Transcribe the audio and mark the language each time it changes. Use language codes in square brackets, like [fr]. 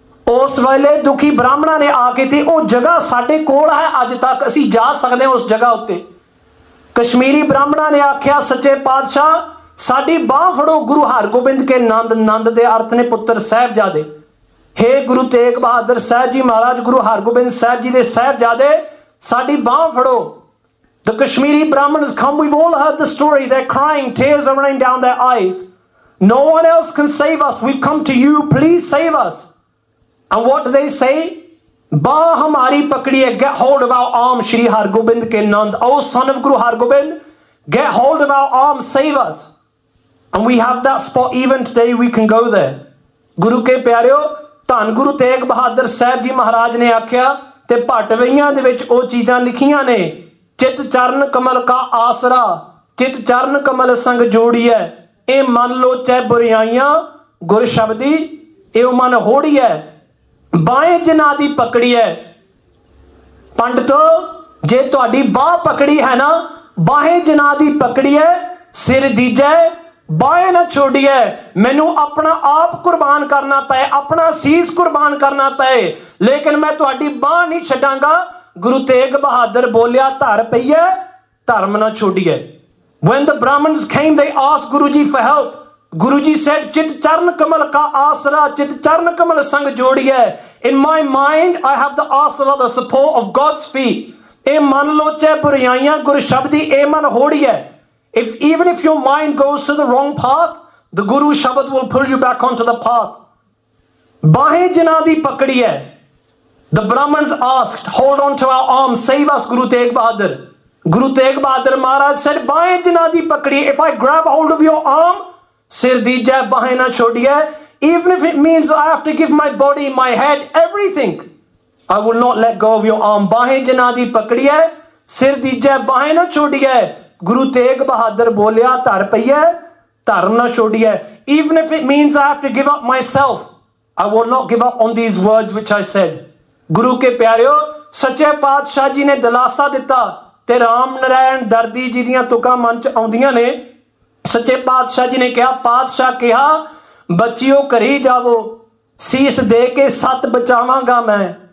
[pa] ਉਸ ਵੇਲੇ ਦੁਖੀ ਬ੍ਰਾਹਮਣਾਂ ਨੇ ਆ ਕੇ ਤੇ ਉਹ ਜਗ੍ਹਾ ਸਾਡੇ ਕੋਲ ਹੈ ਅੱਜ ਤੱਕ, ਅਸੀਂ ਜਾ ਸਕਦੇ ਹਾਂ ਉਸ ਜਗ੍ਹਾ ਉੱਤੇ। ਕਸ਼ਮੀਰੀ ਬ੍ਰਾਹਮਣਾਂ ਨੇ ਆਖਿਆ, ਸੱਚੇ ਪਾਤਸ਼ਾਹ ਸਾਡੀ ਬਾਹ ਫੜੋ ਗੁਰੂ ਹਰਗੋਬਿੰਦ ਕੇ ਨੰਦ। ਨੰਦ ਦੇ ਅਰਥ ਨੇ ਪੁੱਤਰ ਸਾਹਿਬਜ਼ਾਦੇ। ਹੇ ਗੁਰੂ ਤੇਗ ਬਹਾਦਰ ਸਾਹਿਬ ਜੀ ਮਹਾਰਾਜ, ਗੁਰੂ ਹਰਗੋਬਿੰਦ ਸਾਹਿਬ ਜੀ ਦੇ ਸਾਹਿਬਜ਼ਾਦੇ, ਸਾਡੀ ਬਾਹ ਫੜੋ। [en] The Kashmiri Brahmins come, we've all heard the story, they're crying, tears are running down their eyes. No one else can save us, we've come to you, please save us. And what do they say? [pa] Baah hamari pakdiye, [en] get hold of our arm, Shri Hargobind ke nand. Oh son of Guru Hargobind, get hold of our arm, save us. And we have that spot even today, we can go there. [pa] Guru ke pyareo, Tan Guru Tegh Bahadur Sahib Ji Maharaj ne akhya, te patwiyan de vich oh cheezan likhiyan ne, ਚਿਤ ਚਰਨ ਕਮਲ ਕਾ ਆਸਰਾ, ਚਿਤ ਚਰਨ ਕਮਲ ਸੰਗ ਜੋੜੀਐ, ਇਹ ਮਨ ਲੋਚੈ ਬੁਰਿਆਈਆਂ, ਗੁਰ ਸ਼ਬਦੀ ਇਹ ਮਨ ਹੋੜੀਐ, ਬਾਹੇ ਜਿਨ੍ਹਾਂ ਦੀ ਪਕੜੀਐ। ਪੰਡਤ, ਜੇ ਤੁਹਾਡੀ ਬਾਹ ਪਕੜੀ ਹੈ ਨਾ, ਬਾਹੇ ਜਿਨ੍ਹਾਂ ਦੀ ਪਕੜੀਐ, ਸਿਰ ਦੀਜੈ ਬਾਹੇ ਨਾ ਛੋੜੀਐ, ਮੈਨੂੰ ਆਪਣਾ ਆਪ ਕੁਰਬਾਨ ਕਰਨਾ ਪਏ, ਆਪਣਾ ਸੀਸ ਕੁਰਬਾਨ ਕਰਨਾ ਪਏ, ਲੇਕਿਨ ਮੈਂ ਤੁਹਾਡੀ ਬਾਹ ਨਹੀਂ ਛੱਡਾਂਗਾ। Guru Tegh Bahadur bolya tar paye dharm na chhodiye. [en] When the Brahmins came, they asked Guruji for help. Guruji said, [pa] chit charan kamal ka aasra, chit charan kamal sang jodiye. [en] In my mind, I have the aasra, the support of God's feet. [pa] E man loche buriyaiyan, Guru Shabdi e man hodiye. [en] If even if your mind goes to the wrong path, the Guru Shabd will pull you back onto the path. [pa] Bahe jinadi pakdiye. [en] The Brahmins asked, hold on to our arms, save us, Guru Tegh Bahadur. Guru Tegh Bahadur Maharaj said, [pa] bahe jinadi pakdi, [en] if I grab hold of your arm, [pa] sir dijai bahe na chodiye, [en] even if it means that I have to give my body, my head, everything, I will not let go of your arm. [pa] Bahe jinadi pakdi hai, sir dijai bahe na chodiye, [en] Guru Tegh Bahadur bolya tar paye, tar na chodiye, even if it means I have to give up myself, I will not give up on these words which I said. [pa] ਗੁਰੂ ਕੇ ਪਿਆਰਿਓ, ਸੱਚੇ ਪਾਤਸ਼ਾਹ ਜੀ ਨੇ ਦਿਲਾਸਾ ਦਿੱਤਾ ਤੇ ਰਾਮ ਨਾਰਾਇਣ ਦਰਦੀ ਜੀ ਦੀਆਂ ਤੁਕਾਂ ਮਨ ਚ ਆਉਂਦੀਆਂ ਨੇ। ਸੱਚੇ ਪਾਤਸ਼ਾਹ ਜੀ ਨੇ ਕਿਹਾ, ਪਾਤਸ਼ਾਹ ਕਿਹਾ, ਬੱਚਿਓ ਘਰੀ ਜਾਵੋ, ਸੀਸ ਦੇ ਕੇ ਸੱਤ ਬਚਾਵਾਂਗਾ ਮੈਂ।